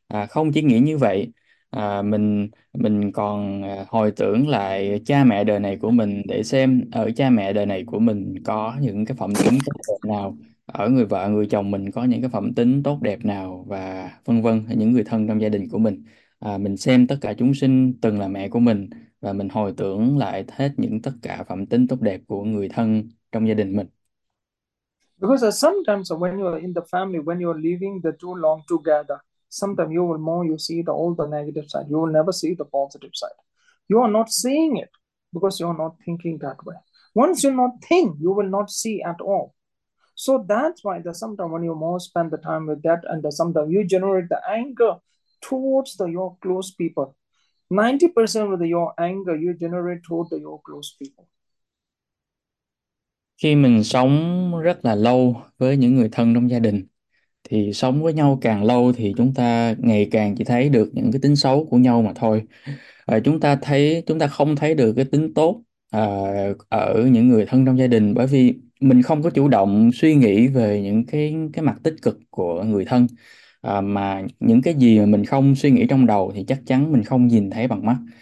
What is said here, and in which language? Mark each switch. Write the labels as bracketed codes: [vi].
[vi] Không chỉ nghĩ như vậy, mình còn hồi tưởng lại cha mẹ đời này của mình để xem ở cha mẹ đời này của mình có những cái phẩm tính tốt đẹp nào, ở người vợ người chồng mình có những cái phẩm tính tốt đẹp nào và vân vân, những người thân trong gia đình của mình. Mình xem tất cả chúng sinh từng là mẹ của mình và mình hồi tưởng lại hết những tất cả phẩm tính tốt đẹp của người thân trong gia đình mình. [en] Because sometimes when you are in the family, when you are living the too long together, sometimes you will more you see the all the negative side. You will never see the positive side. You are not seeing it because you are not thinking that way. Once you not think, you will not see at all. So that's why the sometimes when you more spend the time with that, and the sometimes you generate the anger towards the your close people. 90% of the, your anger you generate toward the, your close people. [vi] Khi mình sống rất là lâu với những người thân trong gia đình thì sống với nhau càng lâu thì chúng ta ngày càng chỉ thấy được những cái tính xấu của nhau mà thôi. Chúng ta không thấy được cái tính tốt ở những người thân trong gia đình bởi vì mình không có chủ động suy nghĩ về những cái mặt tích cực của người thân, mà những cái gì mà mình không suy nghĩ trong đầu thì chắc chắn mình không nhìn thấy bằng mắt.